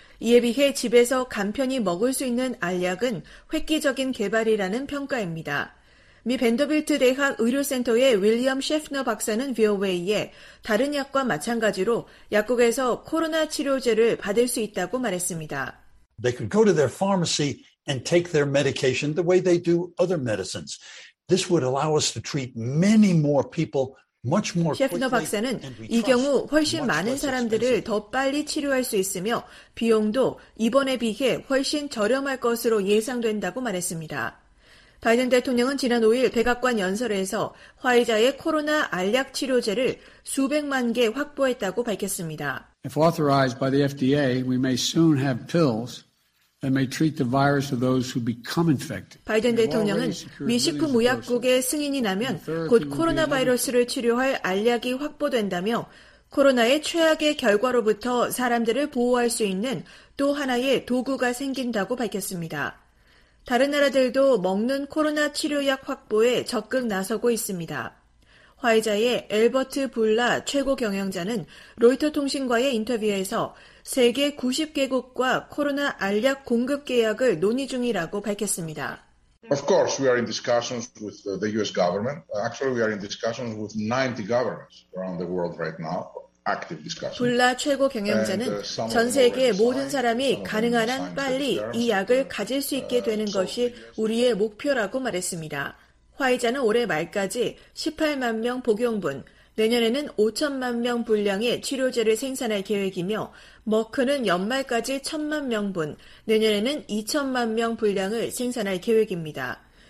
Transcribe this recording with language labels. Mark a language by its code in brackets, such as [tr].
[ko] 이에 비해 집에서 간편히 먹을 수 있는 알약은 획기적인 개발이라는 평가입니다. 미 벤더빌트 대학 의료센터의 윌리엄 셰프너 박사는 VOA에 다른 약과 마찬가지로 약국에서 코로나 치료제를 받을 수 있다고 말했습니다. [en] They could go to their pharmacy and take their medication the way they do other medicines. This would allow us to treat many more people much more quickly. [ko] 셰프너 박사는 이 경우 훨씬 많은 사람들을 더 빨리 치료할 수 있으며 비용도 이번에 비해 훨씬 저렴할 것으로 예상된다고 말했습니다. 바이든 대통령은 지난 5일 백악관 연설에서 화이자의 코로나 알약 치료제를 수백만 개 확보했다고 밝혔습니다. [en] If authorized by the FDA, we may soon have pills that may treat the virus of those who become infected. [ko] 바이든 대통령은 미 식품의약국의 승인이 나면 곧 코로나 바이러스를 치료할 알약이 확보된다며 코로나의 최악의 결과로부터 사람들을 보호할 수 있는 또 하나의 도구가 생긴다고 밝혔습니다. 다른 나라들도 먹는 코로나 치료약 확보에 적극 나서고 있습니다. 화이자의 엘버트 불라 최고 경영자는 로이터통신과의 인터뷰에서 세계 90개국과 코로나 알약 공급 계약을 논의 중이라고 밝혔습니다. [en] Of course, we are in discussions with the US government. Actually, we are in discussions with 90 governments around the world right now. [ko] 불라 최고 경영자는 전 세계 모든 사람이 가능한 한 빨리 이 약을 가질 수 있게 되는 것이 우리의 목표라고 말했습니다. 화이자는 올해 말까지 18만 명 복용분, 내년에는 5천만 명 분량의 치료제를 생산할 계획이며 머크는 연말까지 1천만 명분, 내년에는 2천만 명 분량을 생산할 계획입니다.